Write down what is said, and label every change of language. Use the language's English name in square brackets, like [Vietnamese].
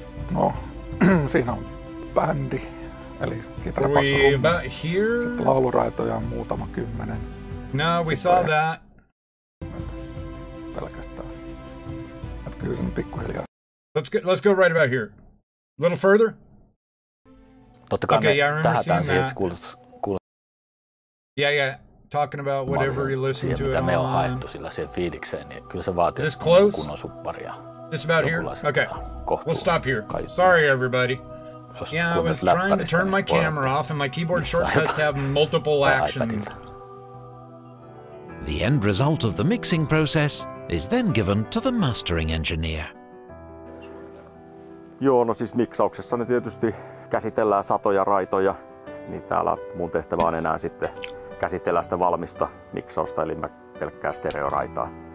[Finnish] No, siinä on bändi, eli kitara, bassa, rummi. [English] About here? [Finnish] Sitten lauluraitoja on muutama kymmenen. [English] No, we saw that. [Finnish] Pelkästään. Et kyllä se on pikkuhiljaa. [English] Let's go right about here. A little further? [Finnish] Totta kai [English] okay, yeah, I remember seeing that. Yeah. Talking about whatever you listen to it on. [Finnish] Me on haettu sillä siihen fiilikseen, niin kyllä se vaatii kunnon supparia. [English] Just about here? Okay. We'll stop here. Sorry, everybody. Yeah, I was trying to turn my camera off and my keyboard shortcuts have multiple actions. The end result of the mixing process is then given to the mastering engineer. [Finnish] Joo, no siis miksauksessa ne tietysti käsitellään satoja raitoja, niin täällä mun tehtävä on enää sitten käsitellä sitä valmista miksausta, eli mä pelkkää stereoraitaa.